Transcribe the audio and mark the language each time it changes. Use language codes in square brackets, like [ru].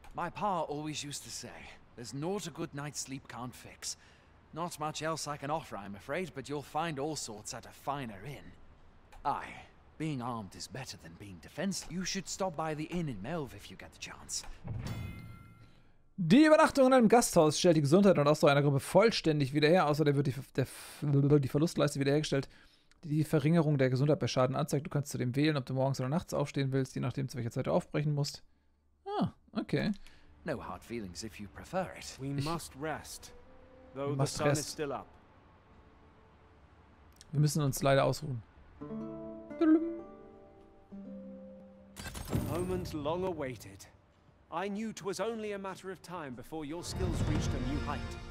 [en] My pa always used to say, there's naught a good night's sleep can't fix. Not much else I can offer, I'm afraid, but you'll find all sorts at a finer inn. Aye, being armed is better than being defenseless. You should stop by the inn in Melv if you get the chance. [de] Die Übernachtung in einem Gasthaus stellt die Gesundheit und Ausdauer einer Gruppe vollständig wieder her. Außerdem wird die Verlustleiste wiederhergestellt, die die Verringerung der Gesundheit bei Schaden anzeigt. Du kannst zudem wählen, ob du morgens oder nachts aufstehen willst, je nachdem, zu welcher Zeit du aufbrechen musst. Ah, okay. [en] No hard feelings if you prefer it. We must rest, though the sun is still up. [de] Wir müssen uns leider ausruhen. [en] A moment long awaited. I knew 'twas only a matter of time before your skills reached a new height.